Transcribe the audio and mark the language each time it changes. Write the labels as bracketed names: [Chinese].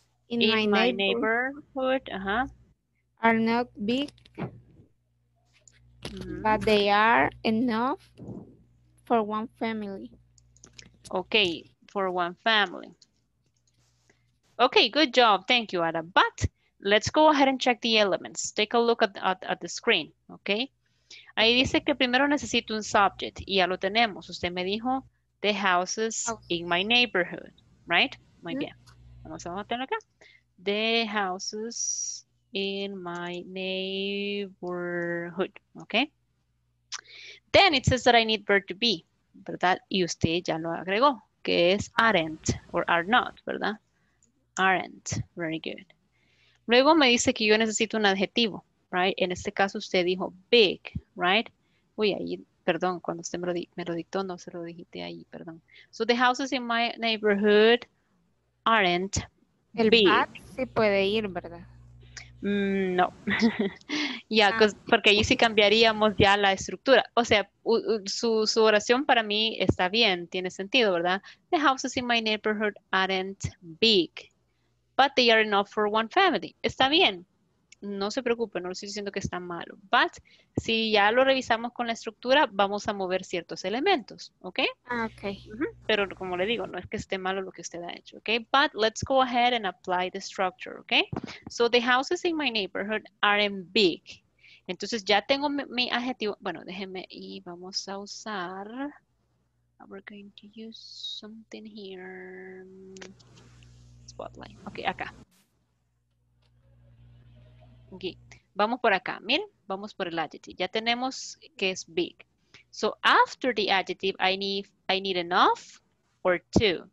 [English] In my neighborhood, are not big, mm-hmm. but they are enough for one family. Okay, for one family. Okay, good job. Thank you, Ada. But let's go ahead and check the elements. Take a look at the screen, okay? [Spanish] Ahí dice que primero necesito un subject, y ya lo tenemos. Usted me dijo, [English] the houses in my neighborhood, right? [Spanish] Muy bien. Vamos a meterlo acá. [English] The houses in my neighborhood, okay? Then it says that I need verb to be, ¿verdad? [Spanish] Y usted ya lo agregó, que es [English] aren't or are not, ¿verdad? Aren't, very good. [Spanish] Luego me dice que yo necesito un adjetivo, right? En este caso usted dijo big, right? Uy, ahí, perdón, cuando usted me lo dictó, no se lo dijiste ahí, perdón. [English] So the houses in my neighborhood aren't [Spanish] El [English] big. [Spanish] Bad sí puede ir, ¿verdad? No. Ya, yeah, porque ahí sí cambiaríamos ya la estructura. O sea, su oración para mí está bien, tiene sentido, ¿verdad? [English] The houses in my neighborhood aren't big, but they are enough for one family. [Spanish] Está bien. No se preocupe, no lo estoy diciendo que está malo. But si ya lo revisamos con la estructura, vamos a mover ciertos elementos, ¿ok? Ok. Pero como le digo, no es que esté malo lo que usted ha hecho, ¿ok? [English] But let's go ahead and apply the structure, ¿ok? So the houses in my neighborhood aren't big. [Spanish] Entonces ya tengo mi adjetivo. Bueno, déjeme y vamos a usar. [English] We're going to use something here. Spotlight. [Spanish] Ok, acá. Aquí. Vamos por acá, miren, vamos por el adjective. Ya tenemos que es big. [English] So after the adjective, I need enough or two.